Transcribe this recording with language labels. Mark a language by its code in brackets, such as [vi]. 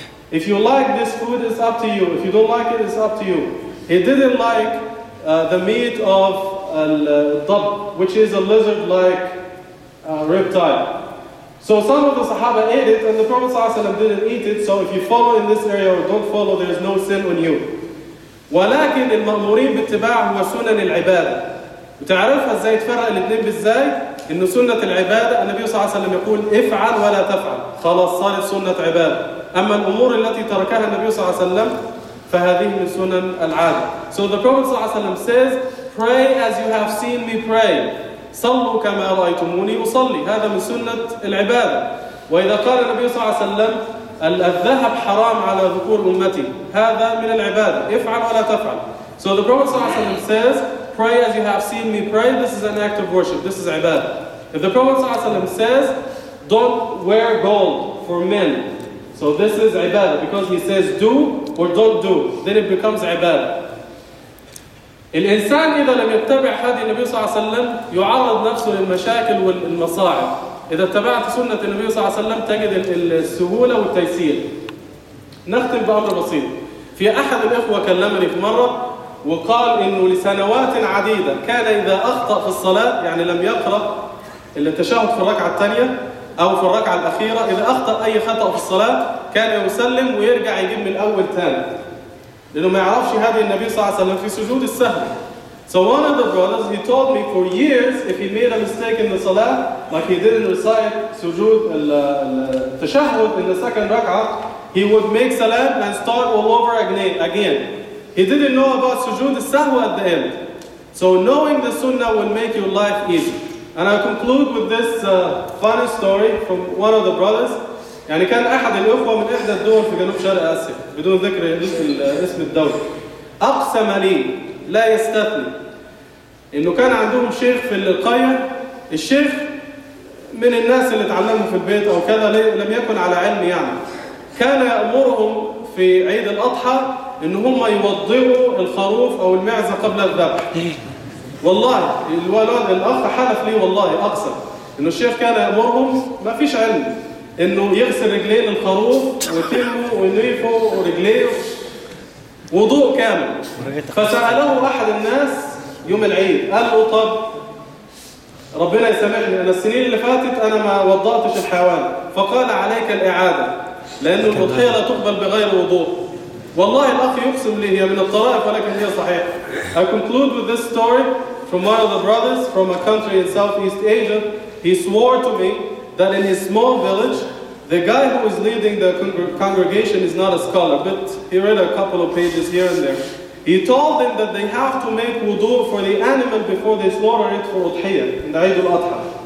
[en] If you like this food, it's up to you. If you don't like it, it's up to you. He didn't like the meat of al-dab, which is a lizard-like reptile. So some of the Sahaba ate it, and the Prophet صلى الله عليه وسلم didn't eat it. So if you follow in this area or don't follow, there is no sin on you. [ar] ولكن المأمورين باتباع هو سنن العبادة. وتعرفها ازاي تفرق الاثنين بالزاي؟ إن سنة العبادة النبي صلى الله عليه وسلم يقول افعل ولا تفعل. خلاص صارت سنة عبادة. أما الأمور التي تركها النبي صلى الله عليه وسلم فهذه من سنن العادة. [en] So the Prophet صلى الله عليه وسلم says, pray as you have seen me pray. [ar] صلوا كما رأيتموني أصلي. هذا من سنة العبادة. وإذا قال النبي صلى الله عليه وسلم الذهب حرام على ذكور أمتي. هذا من العبادة. افعل ولا تفعل. [en] So the Prophet صلى الله عليه وسلم says, pray as you have seen me pray. This is an act of worship. This is عبادة. If the Prophet صلى الله عليه وسلم says, don't wear gold for men. So this is ibadah, because he says do or don't do, then it becomes ibadah. [ar] الإنسان إذا لم يتبع هدي النبي صلى الله عليه وسلم يعرض نفسه للمشاكل والمصاعب. إذا اتبعت سنة النبي صلى الله عليه وسلم تجد السهولة والتيسير. نختم بأمر بسيط. في أحد الإخوة كلمني في مرة وقال إنه لسنوات عديدة كان إذا أخطأ في الصلاة، يعني لم يقرأ التشهد في الركعة الثانية أو في الركعة الأخيرة، إذا أخطأ أي خطأ في الصلاة كان يسلم ويرجع يجيب من الأول تاني، لأنه ما يعرفش هذه النبي صلى الله عليه وسلم في سجود السهو. So one of the brothers, he told me for years if he made a mistake in the salah, like he didn't recite سجود التشهد in the second ركعة, he would make salam and start all over again. He didn't know about سجود السهو at the end. So knowing the sunnah will make your life easy. And I conclude with this funny story from one of the brothers. يعني كان أحد الأخوة من إحدى الدول في جنوب شرق آسيا بدون ذكر اسم الدولة. أقسم لي لا يستثني إنه كان عندهم شيخ في القرية. الشيخ من الناس اللي تعلموا في البيت أو كذا، لم يكن على علم يعني. كان يأمرهم في عيد الأضحى إن هم يوضعوا الخروف أو المعزة قبل الذبح. والله الولد الاخ حلف لي والله اقسم انه الشيخ كان يامرهم، ما فيش علم، انه يغسل رجليه للخروف ويتمه وينيفه ورجليه وضوء كامل. فساله احد الناس يوم العيد، قال له طب ربنا يسامحني، انا السنين اللي فاتت انا ما وضعتش الحيوان. فقال عليك الاعاده، لانه الاضحيه لا تقبل بغير وضوء. والله الأخ يقسم لي هي من الطرائف ولكن هي صحيحة. [en] I conclude with this story from one of the brothers from a country in Southeast Asia. He swore to me that in his small village, the guy who is leading the congregation is not a scholar, but he read a couple of pages here and there. He told them that they have to make wudu for the animal before they slaughter it for udhiyah in the Eid al-Adha.